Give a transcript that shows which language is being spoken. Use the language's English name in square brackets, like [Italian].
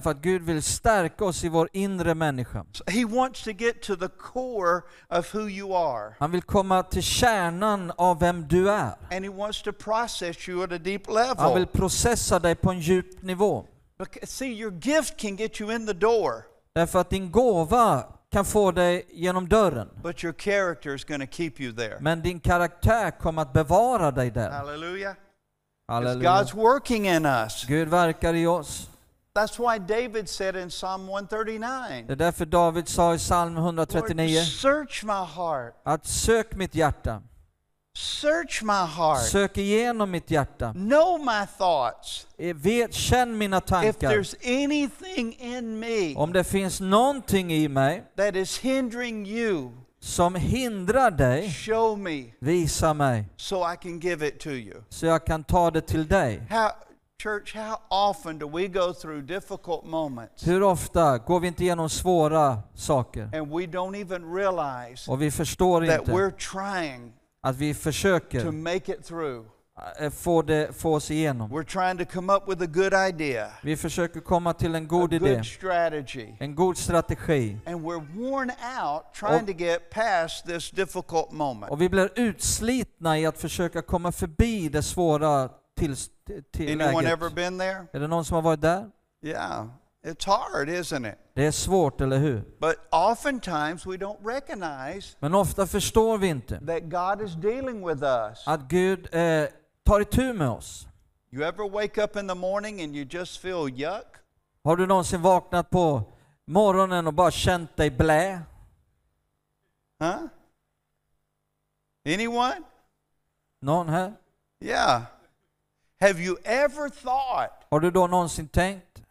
[Swedish] Därför att Gud vill stärka oss i vår inre människa. [English] So he wants to get to the core of who you are. [Swedish] Han vill komma till kärnan av vem du är. [English] And he wants to process you at a deep level. [Swedish] Han vill processa dig på en djup nivå. [English] Because, see, your gift can get you in the door. [Swedish] Därför att din gåva kan få dig genom dörren. [English] But your character is going to keep you there. [Swedish] Men din karaktär kommer att bevara dig där. [English] Hallelujah. [Swedish] Hallelujah. [English] God's working in us. [Swedish] Gud verkar i oss. [English] That's why David said in Psalm 139. [Swedish] Det är därför David sa i Psalm 139. [English] Lord, search my heart. [Swedish] Att sök mitt hjärta. [English] Search my heart. [Swedish] Sök igenom mitt hjärta. [English] Know my thoughts. [Swedish] Vet, känn mina tankar. [English] If there's anything in me, [Swedish] om det finns någonting i mig, [English] that is hindering you, [Swedish] som hindrar dig, [English] show me, [Swedish] visa mig, [English] so I can give it to you, [Swedish] så jag kan ta det till dig. [English] Church, how often do we go through difficult moments? [Swedish] Hur ofta går vi inte igenom svåra saker? [English] And we don't even realize, [Swedish] och vi förstår [English] that [Swedish] inte, [English] we're trying. [Swedish] Att vi försöker [English] to make it through. [Swedish] Få oss igenom. [English] We're trying to come up with a good idea. [Swedish] Vi försöker komma till en god idé. [English] A good strategy. [Swedish] En god strategi. [English] And we're worn out trying to get past this difficult moment. [Swedish] Och vi blir utslitna i att försöka komma förbi det svåra tillläget. [English] Anyone ever been there? [Swedish] Är det någon som har varit där? [English] Yeah. It's hard, isn't it? [Swedish] Det är svårt, eller hur? [English] But oftentimes we don't recognize, [Swedish] men ofta förstår vi inte, [English] that God is dealing with us. [Swedish] Att Gud tar itu med oss. [English] You ever wake up in the morning and you just feel yuck? [Swedish] Har du någonsin vaknat på morgonen och bara känt dig blä? [English] Huh? Anyone? [Swedish] Någon här? [English] Yeah. Have you ever thought? [Swedish] Har du då någonsin tänkt?